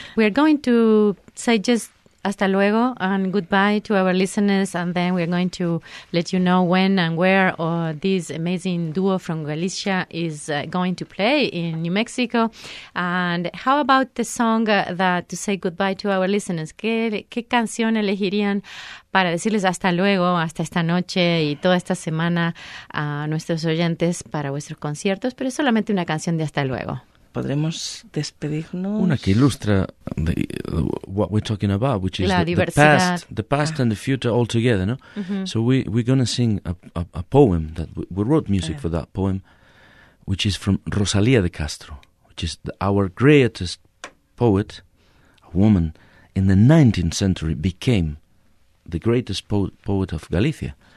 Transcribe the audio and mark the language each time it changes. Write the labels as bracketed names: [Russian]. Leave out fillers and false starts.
[English] We're going to say just [Spanish] hasta luego [English] and goodbye to our listeners, and then we're going to let you know when and where this amazing duo from Galicia is going to play in New Mexico. And how about the song that to say goodbye to our listeners? [Spanish] ¿Qué canción elegirían para decirles hasta luego, hasta esta noche y toda esta semana a nuestros oyentes para vuestros conciertos? Pero es solamente una canción de hasta luego. ¿Podremos despedirnos? Una que ilustra [English] what we're talking about, which is the past and the future all together, no? Mm-hmm. So we're going to sing a poem that we wrote music for, that poem, which is from Rosalía de Castro, which is our greatest poet, a woman in the 19th century became the greatest poet of Galicia.